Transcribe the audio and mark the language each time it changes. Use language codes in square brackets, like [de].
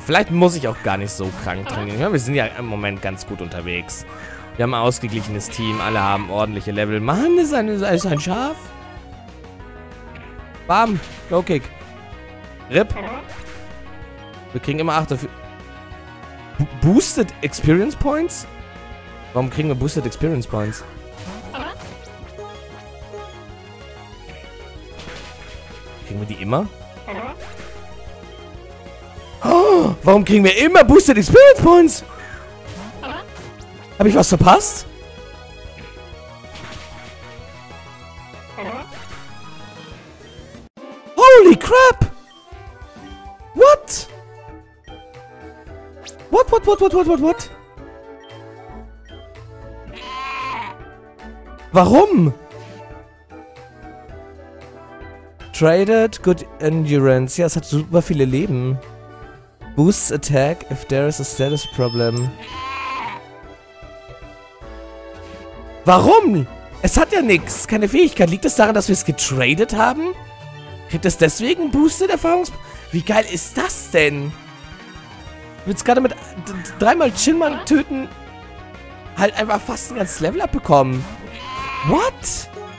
[de] Vielleicht muss ich auch gar nicht so krank trainieren. Ja, wir sind ja im Moment ganz gut unterwegs. Wir haben ein ausgeglichenes Team. Alle haben ordentliche Level. Mann, ist ein Schaf. Bam. Low Kick. RIP. Wir kriegen immer 8 dafür. [en] Boosted Experience Points? [de] Warum kriegen wir Boosted Experience Points? Kriegen wir die immer? Oh, warum kriegen wir immer Boosted Experience Points? Habe ich was verpasst? [en] Holy crap! What? What? [de] Warum? [en] Traded good endurance. [de] Ja, es hat super viele Leben. [en] Boosts attack if there is a status problem. [de] Warum? Es hat ja nichts, keine Fähigkeit. Liegt es daran, dass wir es getradet haben? Kriegt es deswegen Boosted Erfahrungs... Wie geil ist das denn? Ich will es gerade mit dreimal Chinmann töten. Halt einfach fast ein ganzes Level abbekommen. [en] What?